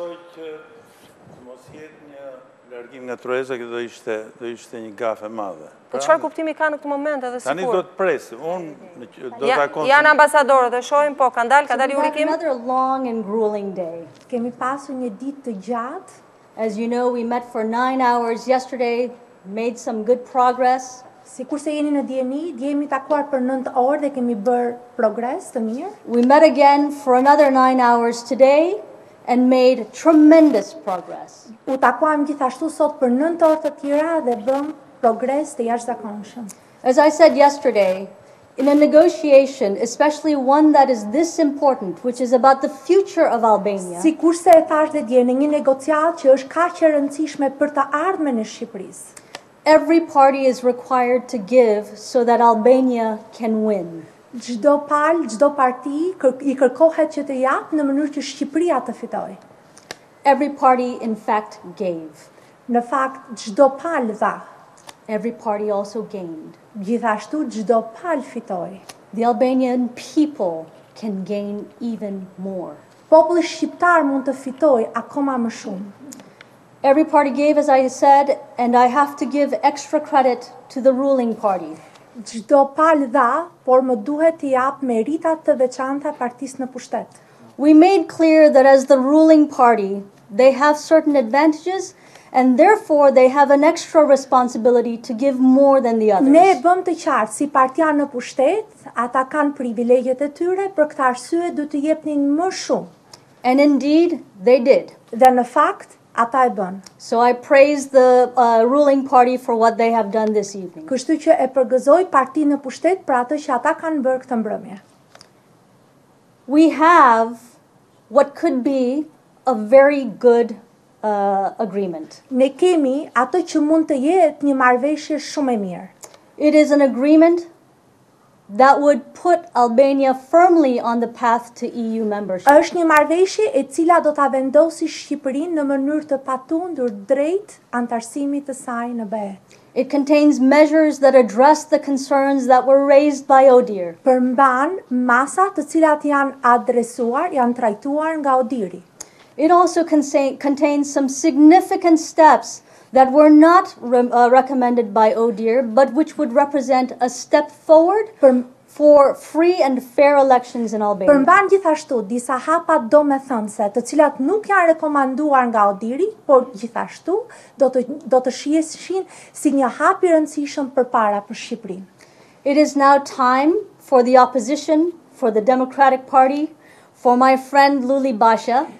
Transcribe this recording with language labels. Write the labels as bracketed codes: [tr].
[sq] Besoj që mos jetë një largim nga Trueza, që do ishte një gafë e madhe. Po çfarë kuptimi ka në këtë moment edhe sikur? Tani do të presim. Unë do ta kontroloj. Janë ambasadorët, e shohim po, kanë dalë urikim. [en] Another long and grueling day. [sq] Kemi pasur një ditë të gjatë. [en] As you know, we met for 9 hours yesterday, made some good progress. [sq] Si kurse jeni në djeni, djemi takuar për 9 orë dhe kemi bërë progres të mirë. [en] We met again for another 9 hours today and made tremendous progress. [sq] U takuam gjithashtu sot për 9 orë të tjera dhe bëm progres të jashtëzakonshëm. [en] As I said yesterday, in a negotiation, especially one that is this important, which is about the future of Albania. [sq] Si kurse e thash dhe djeni, një negociat që është kaq e rëndësishme për të ardhmen e Shqipërisë. [en] Every party is required to give so that Albania can win. [sq] Çdo parti I kërkohet që të japë në mënyrë që Shqipëria të fitojë. [en] Every party in fact gave. [sq] Në fakt çdo pal dha. [en] Every party also gained. [sq] Gjithashtu çdo pal fitoi. [en] The Albanian people can gain even more. [sq] Populli shqiptar mund të fitojë akoma më shumë. [en] Every party gave, as I said, and I have to give extra credit to the ruling party. [sq] Çdo pal dha, por më duhet t'i jap meritat të veçanta partisë në pushtet. [en] We made clear that as the ruling party, they have certain advantages, and therefore they have an extra responsibility to give more than the others. [sq] Ne bëm të qartë, si partia në pushtet, ata kanë privilegjet e tyre, për këtë arsye du të jepnin më shumë. [en] And indeed, they did. [sq] Dhe në fakt, ata e bën. [en] So I praise the ruling party for what they have done this evening. [sq] Kështu që e përgëzoj partinë në pushtet për atë që ata kanë bërë këtë mbrëmje. [en] We have what could be a very good agreement. [sq] Ne kemi atë që mund të jetë një marrëveshje shumë e mirë. [en] It is an agreement that would put Albania firmly on the path to EU membership. [sq] Është një marrëveshje e cila do ta vendosë Shqipërinë në mënyrë të patundur drejt antarësimit të saj në BE. [en] It contains measures that address the concerns that were raised by ODIHR. [sq] Përmban masa të cilat janë adresuar, janë trajtuar nga ODIHR-i. [en] It also contains some significant steps that were not recommended by ODIHR, but which would represent a step forward for free and fair elections in Albania. [sq] Përmban gjithashtu disa hapa domethënëse, të cilat nuk janë rekomanduar nga Odiri, por gjithashtu do të shiheshin si një hap I rëndësishëm përpara për Shqipërinë. [en] It is now time for the opposition, for the Democratic Party, for my friend Luli Basha.